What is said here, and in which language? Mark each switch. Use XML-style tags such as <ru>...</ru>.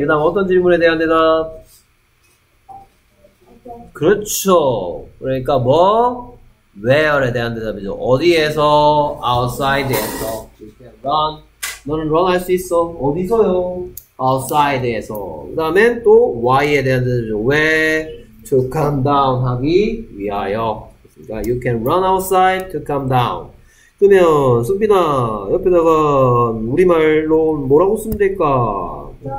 <ko>그다음 어떤 질문에 대한 대답? 그렇죠. 그러니까 뭐? Where에 대한 대답이죠. 어디에서? Outside에서.</ko> <en>You can run.</en> <ko>너는 run 할 수 있어. 어디서요? Outside에서. 그 다음에 또 Why에 대한 대답이죠.</ko> <en>Where to come down</en> <ko>하기 위하여. 그러니까</ko> <en>you can run outside to come down.</en> <ko>그러면 순빈아 옆에다가 우리말로 뭐라고 쓰면 될까?</ko>